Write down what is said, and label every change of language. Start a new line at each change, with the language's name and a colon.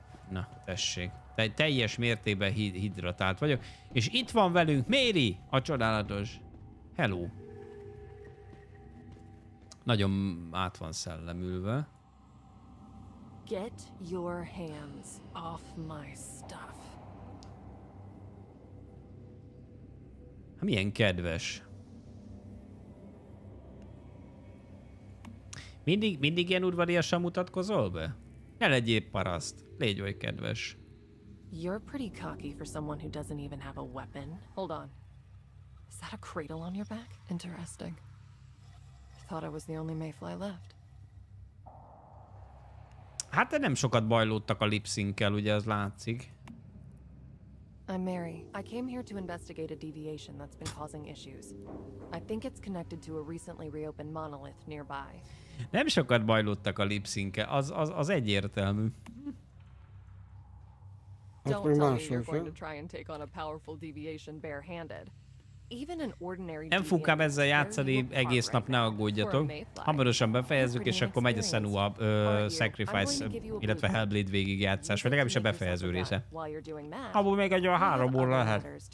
Hungarian: Na, tessék. Teljes mértékben hidratált vagyok. És itt van velünk Méri, a csodálatos. Hello. Nagyon át van szellemülve.
English: Get your hands off my stuff.
Hungarian: Hát milyen kedves. Mindig ilyen udvariasan mutatkozol be? Ne legyél paraszt. Légy oly kedves.
English: You're pretty cocky for someone who doesn't even have a weapon. Hold on. Is that a cradle on your back? Interesting. I thought I was the only Mayfly left.
Hungarian: Hát te nem sokat bajlódtak a lipszinkkel, ugye az látszik.
English: I'm Mary. I came here to investigate a deviation that's been causing issues. I think it's connected to a recently reopened monolith nearby.
Hungarian: Nem sokat bajlódtak a lipszinke, az egyértelmű.
English: Don't tell me you're going to try and take on a powerful deviation barehanded. Even an ordinary
Hungarian: Nem fogám ezzel játszani egész nap, ne aggódjatok. Hamarosan befejezzük, és akkor megy a Senua Sacrifice, illetve Hellblade végigjátszás, vagy legalábbis a befejező része. Abban még egy olyan 3 óra lehet.